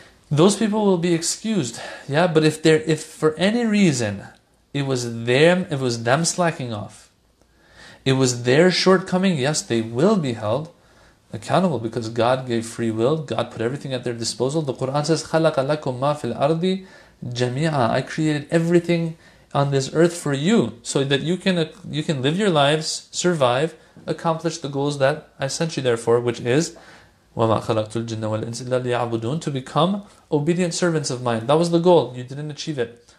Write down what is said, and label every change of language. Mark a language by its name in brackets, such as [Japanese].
[English] Those people will be excused, yeah? But if for any reason it was them slacking off, it was their shortcoming, yes, they will be held accountable because God gave free will, God put everything at their disposal. The Quran says, [Arabic] خَلَقَ لَكُمْ مَا فِي الْأَرْضِ جَمِيعًا. [English] I created everything on this earth for you so that you can live your lives, survive, accomplish the goals that I sent you there for, which is, [Arabic] وَمَا خَلَقْتُ الْجِنَّ وَالْإِنسِ إِلَّا لِيَعْبُدُونَ, [English] to become obedient servants of mine. That was the goal. You didn't achieve it.